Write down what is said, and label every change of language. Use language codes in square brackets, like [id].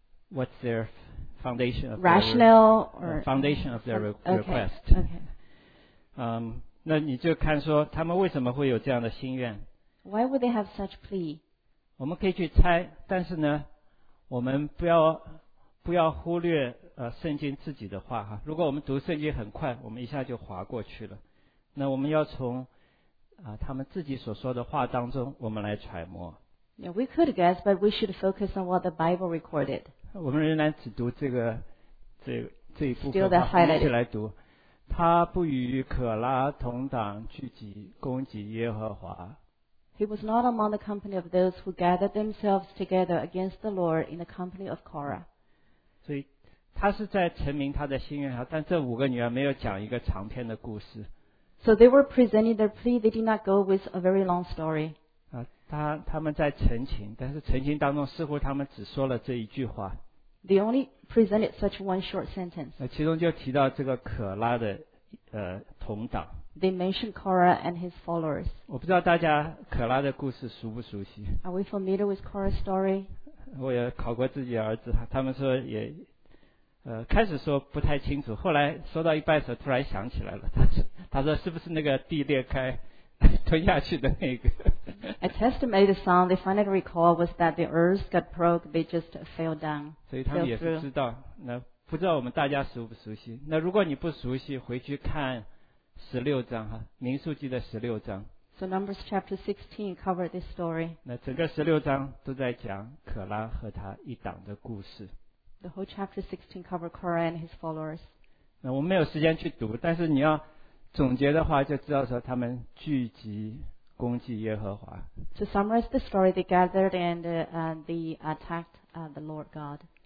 [en] What's their foundation of rationale or foundation of their request? Okay. [zh] 那你就看说他们为什么会有这样的心愿。 [en] Why would they have such plea? [zh] 我们可以去猜，但是呢，我们不要忽略圣经自己的话哈。如果我们读圣经很快，我们一下就划过去了。那我们要从他们自己所说的话当中，我们来揣摩。 [en] Yeah, we could guess, but we should focus on what the Bible recorded. [zh] 我们仍然只读这个这个、这一部分的话，我们一起来读。他不与可拉同党聚集攻击耶和华。 [en] He was not among the company of those who gathered themselves together against the Lord in the company of Korah. [zh] 所以他是在陈明他的心愿，但这五个女儿没有讲一个长篇的故事。 [en] So they were presenting their plea. They did not go with a very long story. [zh] 他们在陈情，但是陈情当中似乎他们只说了这一句话。 [en] They only presented such one short sentence. [zh] 其中就提到这个可拉的同党。 [en] They mentioned Korah and his followers. [zh] 我不知道大家可拉的故事熟不熟悉。 [en] Are we familiar with Korah's story? [zh] 我也考过自己儿子，他们说也开始说不太清楚，后来说到一半的时候突然想起来了。他说是不是那个地裂开吞下去的那个。 [en] A testimony to some, they finally recall was that the earth got broke, they just fell down. [zh] 所以他们也是知道，那不知道我们大家熟不熟悉。那如果你不熟悉，回去看十六章哈，民数记的十六章。 [en] So Numbers chapter 16 covered this story. [zh] 那整个十六章都在讲可拉和他一党的故事。 [en] The whole chapter 16 covered Korah and his followers. [zh] 那我们没有时间去读，但是你要总结的话，就知道说他们聚集攻击耶和华。 [en] To summarize the story, they gathered and they attacked the Lord God.